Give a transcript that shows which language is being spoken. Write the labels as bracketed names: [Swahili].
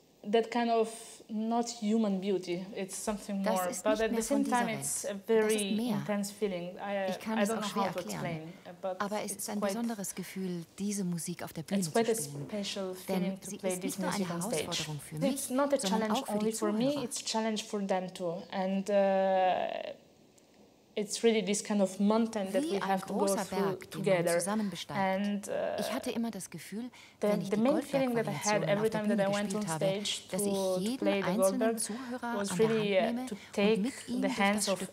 [English] that kind of not human beauty. It's something more. But at the same time, it's a very intense feeling. I don't know how to explain. [German] Aber es ist ein besonderes Gefühl, diese Musik auf der Bühne zu spielen. Denn sie ist nicht nur eine Herausforderung für mich, sondern auch für die Zuhörer. [English] Only for me, it's a challenge for them too. And it's really this kind of mountain that we have to go through together. And [German] ich hatte immer das Gefühl, [English] the main feeling that I had every time that I went on stage to play the Goldberg was really to take the hands of